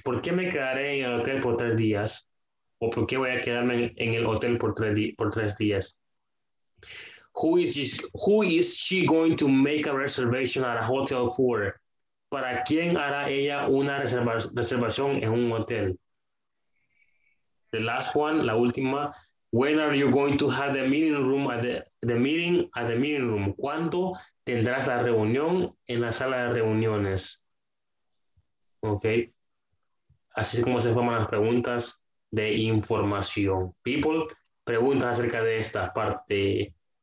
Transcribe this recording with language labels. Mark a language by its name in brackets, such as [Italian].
[Spanish] ¿Por qué me quedaré en el hotel por 3 días? ¿O por qué voy a quedarme en el hotel por tres días? [English] Who is she going to make a reservation at a hotel for? [Spanish] ¿Para quién hará ella una reservación en un hotel? [English] The last one, [Spanish] la última. [English] When are you going to have the meeting room? [Spanish] ¿Cuándo tendrás la reunión en la sala de reuniones? Ok. Así es como se forman las preguntas de información. People, preguntas acerca de esta parte.